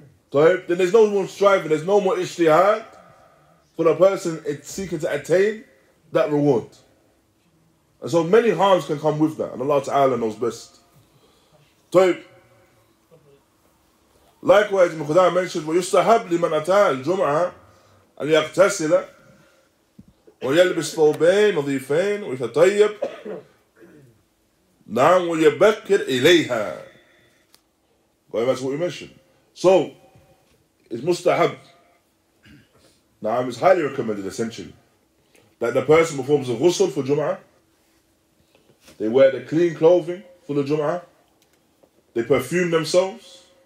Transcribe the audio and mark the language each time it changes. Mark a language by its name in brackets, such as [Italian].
[English] Definitely. Then there's no more striving. There's no more ishtihad for the person seeking to attain that reward. And so many harms can come with that. And Allah Ta'ala knows best. So, likewise, Ibn Khuzayma mentioned, [Arabic] وَيُسْتَحَبْ لِمَنْ أَتَاهَ الْجُمْعَةَ أَنْ يَغْتَسِلَ وَيَلْبِسْ ثَوْبَيْنَ نَظِيفَيْنَ وَيَتَطَيَّبَ نَعَمْ وَيَبَكِّرْ إِلَيْهَا. [English] Going back to what we mentioned. So, it's mustahab. Na'am, it's highly recommended, essentially, that the person performs a ghusl for Jum'ah. They wear the clean clothing for the Jum'ah. They perfume themselves.